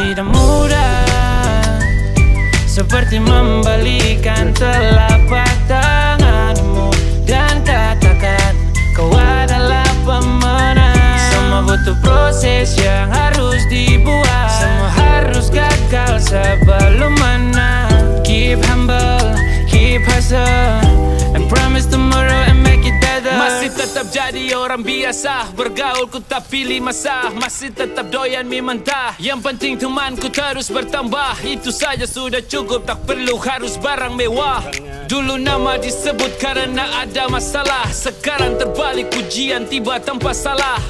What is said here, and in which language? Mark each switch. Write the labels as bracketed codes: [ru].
[id] Semua tidak mudah, seperti membalikan telapak tanganmu dan katakan kau adalah pemenang. Semua butuh proses yang harus dibuat, semua harus gagal sebelum menang. [en] Keep humble, keep hustle, and promise tomorrow and make it better. [id] Masih tetap jadi orang biasa, bergaul ku tak pilih masa. Masih tetap doyan mie mentah, yang penting teman ku terus bertambah. Itu saja sudah cukup, tak perlu harus barang mewah. Dulu nama disebut karena ada masalah, sekarang terbalik, pujian tiba tanpa salah.